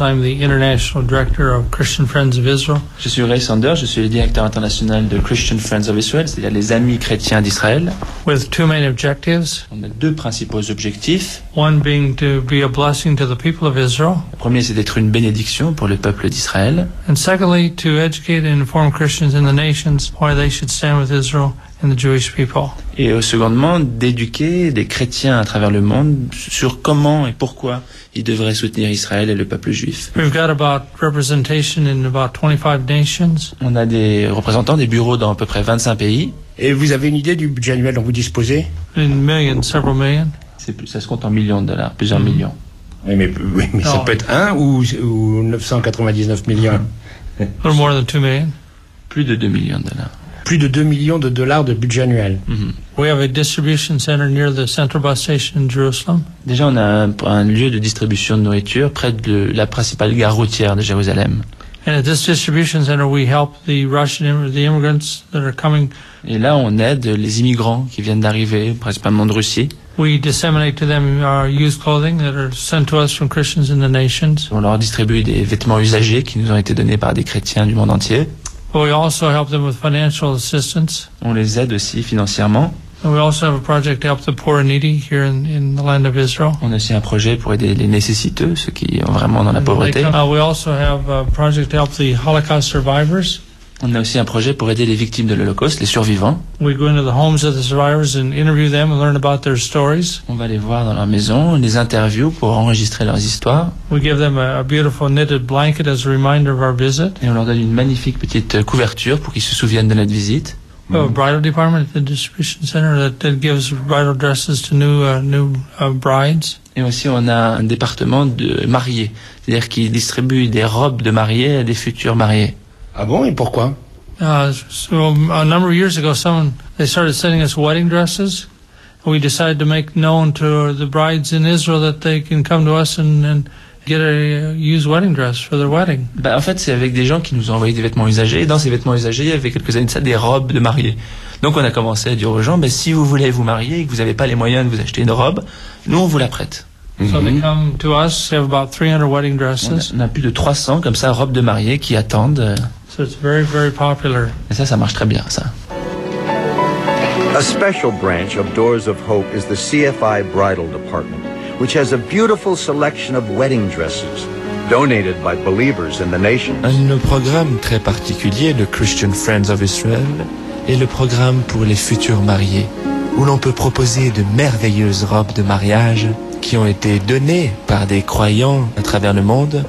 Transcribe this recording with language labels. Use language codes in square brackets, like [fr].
[en] I'm the international director of Christian Friends of Israel. [fr] Je suis Ray Saunders. Je suis le directeur international de Christian Friends of Israel, c'est-à-dire les amis chrétiens d'Israël. [en] With two main objectives. [fr] On a deux principaux objectifs. [en] One being to be a blessing to the people of Israel. [fr] Le premier, c'est d'être une bénédiction pour le peuple d'Israël. [en] And secondly, to educate and inform Christians in the nations why they should stand with Israel and the Jewish people. [fr] et secondement d'éduquer des chrétiens à travers le monde sur comment et pourquoi ils devraient soutenir Israël et le peuple juif. [en] We've got about representation in about 25 nations. [fr] On a des représentants, des bureaux dans à peu près 25 pays. Et vous avez une idée du budget annuel dont vous disposez? [en] In millions, several millions. [fr] C'est, ça se compte en millions de dollars, plusieurs millions. Mais ça peut être 1 ou 999 millions. [en] A little more than 2 million. [fr] Plus de 2 millions de dollars. Plus de 2 millions de dollars de budget annuel. [en] We have a distribution center near the central bus station in Jerusalem. [fr] Déjà, on a un lieu de distribution de nourriture près de la principale gare routière de Jérusalem. [en] And at this distribution center, we help the Russian immigrants that are coming. [fr] Et là, on aide les immigrants qui viennent d'arriver, principalement de Russie. [en] We disseminate to them our used clothing that are sent to us from Christians in the nations. [fr] On leur distribue des vêtements usagés qui nous ont été donnés par des chrétiens du monde entier. [en] But we also help them with financial assistance. [fr] On les aide aussi financièrement. [en] And we also have a project to help the poor and needy here in the land of Israel. [fr] On a aussi un projet pour aider les nécessiteux, ceux qui sont vraiment dans la pauvreté. [en] We also have a project to help the Holocaust survivors. [fr] On a aussi un projet pour aider les victimes de l'Holocauste, les survivants. [en] We go into the homes of the survivors and interview them and learn about their stories. [fr] On va les voir dans leur maison, les interview pour enregistrer leurs histoires. [en] We give them a beautiful knitted blanket as a reminder of our visit. [fr] Et on leur donne une magnifique petite couverture pour qu'ils se souviennent de notre visite. [en] We have a bridal department at the distribution center that gives bridal dresses to new brides. [fr] Et aussi on a un département de mariés, c'est-à-dire qui distribue des robes de mariés à des futurs mariés. Ah bon, et pourquoi? [en] A number of years ago, they started sending us wedding dresses. We decided to make known to the brides in Israel that they can come to us and get a used wedding dress for their wedding. [fr] Bah, en fait, c'est avec des gens qui nous ont envoyé des vêtements usagés. Et dans ces vêtements usagés, il y avait quelques années de ça, des robes de mariée. Donc on a commencé à dire aux gens, si vous voulez vous marier et que vous n'avez pas les moyens de vous acheter une robe, nous, on vous la prête. [en] So they come to us. They have about 300 wedding dresses. [fr] On a plus de 300 comme ça robes de mariée qui attendent. [en] So it's very, very popular. [fr] Et ça marche très bien, ça. [en] A special branch of Doors of Hope is the CFI Bridal Department, which has a beautiful selection of wedding dresses donated by believers in the nations. [fr] Un programme très particulier de Christian Friends of Israel est le programme pour les futurs mariés, où l'on peut proposer de merveilleuses robes de mariage qui ont été données par des croyants à travers le monde.